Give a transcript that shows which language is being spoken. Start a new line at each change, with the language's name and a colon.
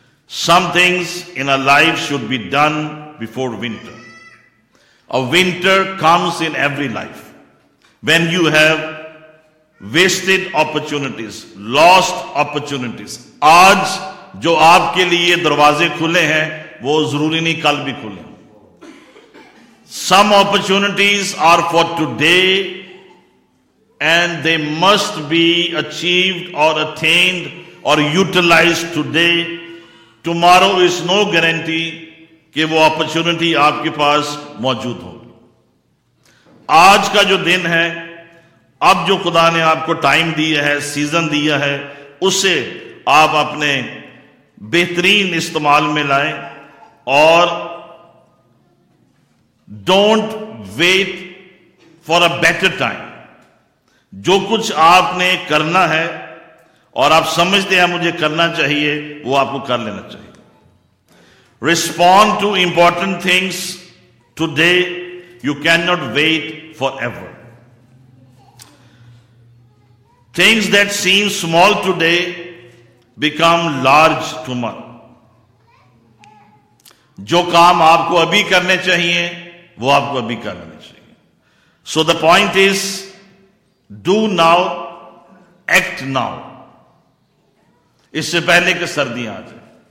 English: Some things in a life should be done before winter. A winter comes in every life when you have wasted opportunities, lost opportunities.
Urdu: آج جو آپ کے لیے دروازے کھلے ہیں وہ ضروری نہیں کل بھی کھلے.
English: Some opportunities are for today and they must be achieved or attained or utilized today. Tomorrow is no guarantee
Urdu: کہ وہ opportunity آپ کے پاس موجود ہو. آج کا جو دن ہے, اب جو خدا نے آپ کو ٹائم دیا ہے, سیزن دیا ہے, اسے آپ اپنے بہترین استعمال میں لائیں, اور
English: Don't wait for a better time.
Urdu: جو کچھ آپ نے کرنا ہے اور آپ سمجھتے ہیں مجھے کرنا چاہیے, وہ آپ کو کر لینا چاہیے.
English: Respond to important things today, you can not wait forever. Things that seem small today become large tomorrow.
Urdu: جو کام آپ کو ابھی کرنے چاہیے وہ آپ کو ابھی کر لینے چاہیے.
English: so the point is, do now, act now,
Urdu: اس سے پہلے کہ سردیاں آ جائیں.